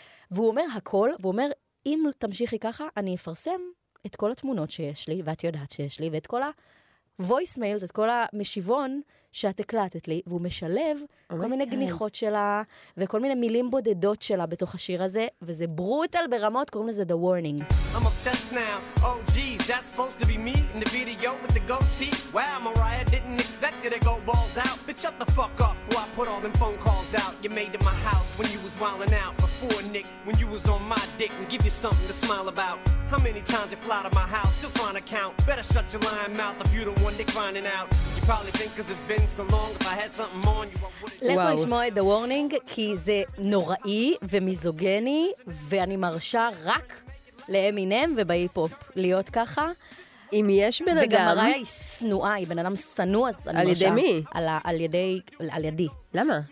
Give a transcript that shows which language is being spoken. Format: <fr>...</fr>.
<he>והוא אומר הכל, והוא אומר, אם תמשיכי ככה, אני אפרסם את כל התמונות שיש לי, ואת יודעת שיש לי, ואת כל ה-voice mails, את כל המשיבון שאת הקלטת לי, והוא משלב כל מיני גניחות שלה, וכל מיני מילים בודדות שלה בתוך השיר הזה, וזה ברוטל ברמות, קוראים לזה The Warning.</he> <en>I'm obsessed now, oh geez, that's supposed to be me in the video with the goatee. Wow, Mariah didn't expect it to go balls out. Bitch, shut the fuck up before I put all them phone calls out. You made it my house when you was wilding out. Before Nick, when you was on my dick and give you something to smile about. How many times you fly to my house, still trying to count. Better shut your lying mouth if you the one they're grinding out. You probably think cause it's been so long, if I had something on you, I wouldn't...</en> <he>וואו. לכו לשמוע את The Warning, כי זה נוראי ומיזוגני, ואני מרשה רק... לאמינם ובהיפופ להיות ככה. אם יש בן אדם... וגם הרי היא סנועה, היא בן אדם סנוע, אז אני על ידי מי? על ידי... על ידי. למה?</he>